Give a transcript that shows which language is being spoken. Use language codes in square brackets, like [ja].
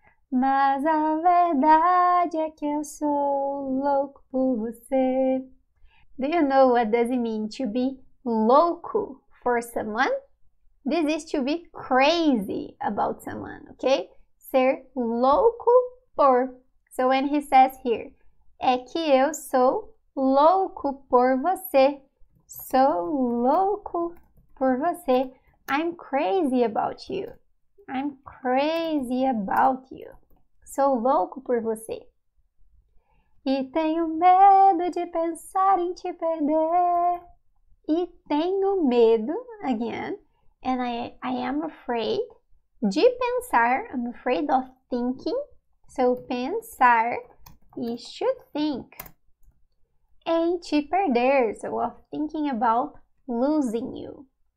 [pt] Mas a verdade é que eu sou louco por você. [en] Do you know what does it mean to be louco for someone? This is to be crazy about someone, okay? [pt] Ser louco por. [en] So when he says here, [pt] é que eu sou louco por você. Sou louco por você. [en] I'm crazy about you. I'm crazy about you. [pt] Sou louco por você. E tenho medo de pensar em te perder. E tenho medo, [en] again. And I am afraid de pensar, I'm afraid of thinking. So, pensar is to think. [pt] em te perder, [en] so of thinking about losing you.